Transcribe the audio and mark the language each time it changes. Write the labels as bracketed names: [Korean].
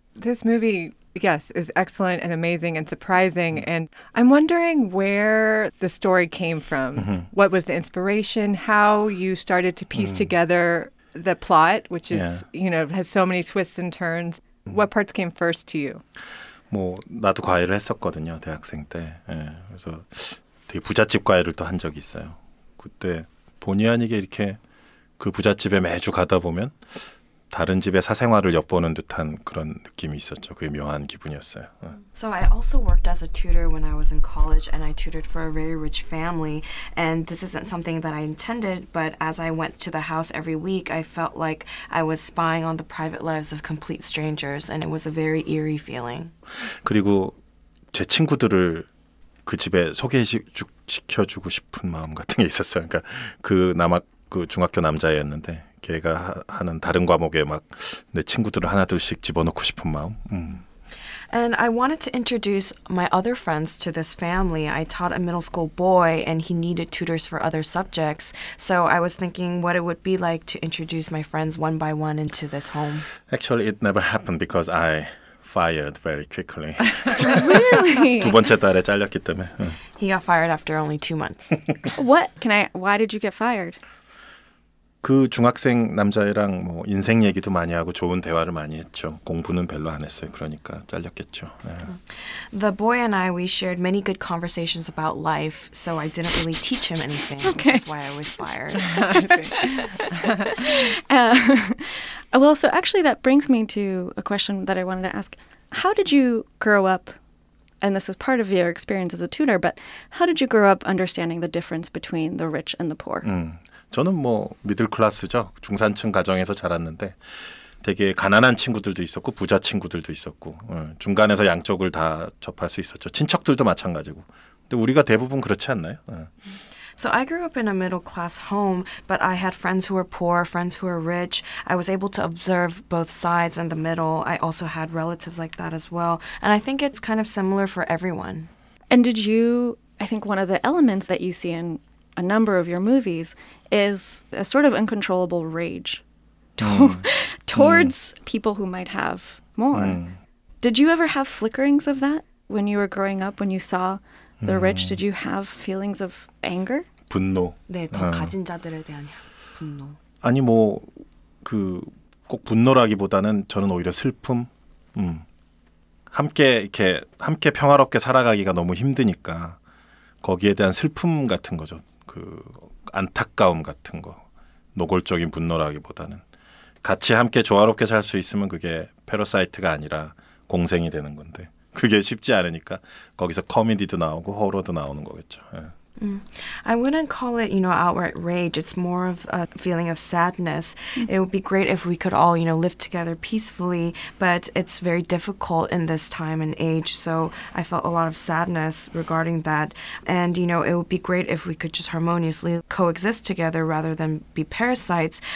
[English] This movie, yes, is excellent and amazing and surprising. And I'm wondering where the story came from. Mm-hmm. What was the inspiration? How you started to piece together the plot, which is, you know, has so many twists and turns. Mm-hmm. What parts came first to you? [Korean] 뭐 나도 과외를 했었거든요 대학생 때 예, 그래서 되게 부잣집 과외를 또 한 적이 있어요 그때 본의 아니게 이렇게 그 부잣집에 매주 가다 보면 다른 집의 사생활을 엿보는 듯한 그런 느낌이 있었죠 그게 묘한 기분이었어요 예. [English] So I also worked as a tutor when I was in college and I tutored for a very rich family and this isn't something that I intended but as I went to the house every week I felt like I was spying on the private lives of complete strangers and it was a very eerie feeling. [Korean] 그리고 제 친구들을 그 집에 소개시켜주고 싶은 마음 같은 게 있었어요. 그러니까 그 남학 그 중학교 남자애였는데 걔가 하는 다른 과목에 막 내 친구들을 하나둘씩 집어넣고 싶은 마음. [English] And I wanted to introduce my other friends to this family. I taught a middle school boy, and he needed tutors for other subjects. So I was thinking what it would be like to introduce my friends one by one into this home. Actually, it never happened because I fired very quickly. Really? [Korean] 두 번째 달에 잘렸기 때문에. [English] He got fired after only 2 months. Why did you get fired? [Korean] 그 중학생 남자애랑 뭐 인생 얘기도 많이 하고 좋은 대화를 많이 했죠. 공부는 별로 안 했어요. 그러니까 잘렸겠죠. 네. [English] The boy and I, we shared many good conversations about life, so I didn't really teach him anything, okay. Which is why I was fired. Well, so actually that brings me to a question that I wanted to ask. How did you grow up, and this is part of your experience as a tutor, but how did you grow up understanding the difference between the rich and the poor? [Korean] 저는 뭐 미들클래스죠. 중산층 가정에서 자랐는데 되게 가난한 친구들도 있었고 부자 친구들도 있었고 중간에서 양쪽을 다 접할 수 있었죠. 친척들도 마찬가지고. 근데 우리가 대부분 그렇지 않나요? [English] So I grew up in a middle-class home, but I had friends who were poor, friends who were rich. I was able to observe both sides and the middle. I also had relatives like that as well. And I think it's kind of similar for everyone. And did you, I think one of the elements that you see in a number of your movies is a sort of uncontrollable rage towards people who might have more. Did you ever have flickerings of that when you were growing up, when you saw the rich? Did you have feelings of anger? [Korean] 분노. 네, 더 가진 자들에 대한 분노. 아니 뭐 그 꼭 분노라기보다는 저는 오히려 슬픔. 함께 이렇게 함께 평화롭게 살아가기가 너무 힘드니까 거기에 대한 슬픔 같은 거죠. 그 안타까움 같은 거. 노골적인 분노라기보다는 같이 함께 조화롭게 살 수 있으면 그게 패러사이트가 아니라 공생이 되는 건데. 그게 쉽지 않으니까 거기서 코미디도 나오고 호러도 나오는 거겠죠. 예. [English] I wouldn't call it, you know, outright rage. It's more of a feeling of sadness. It would be great if we could all, you know, live together peacefully, but it's very difficult in this time and age. So I felt a lot of sadness regarding that. And, you know, it would be great if we could just harmoniously coexist together rather than be parasites.